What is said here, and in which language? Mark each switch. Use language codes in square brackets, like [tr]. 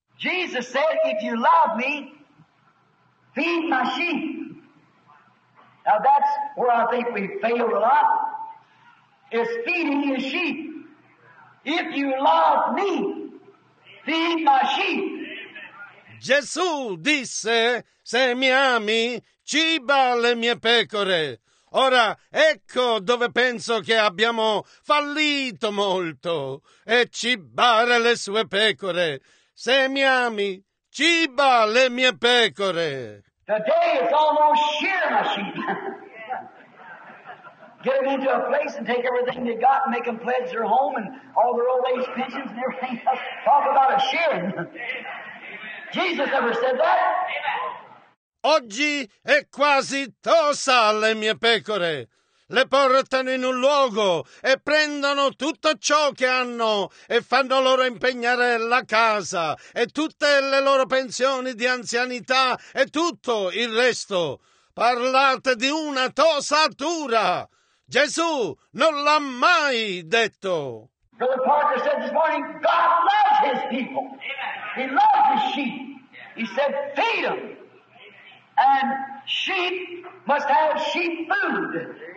[en] Jesus said, if you love me, feed my sheep. Now that's where I think we failed a lot, is feeding your sheep. If you love me, feed my sheep. [it] Gesù disse, se mi ami, ciba le mie pecore. Ora, ecco dove penso che abbiamo fallito molto, e cibare le sue pecore. Se mi ami, ciba le mie pecore. [en] Today it's almost shearing a sheep. Get them into a place and take everything they got and make them pledge their home and all their old age pensions and everything else. Talk about a shearing. Jesus never said that. Amen. [it] Oggi è quasi tosa le mie pecore. Le portano in un luogo e prendono tutto ciò che hanno e fanno loro impegnare la casa e tutte le loro pensioni di anzianità e tutto il resto. Parlate di una tosatura. Gesù non l'ha mai detto. [en] Brother Parker said this morning, God loves his people. He loves his sheep. He said, feed them. And sheep must have sheep food.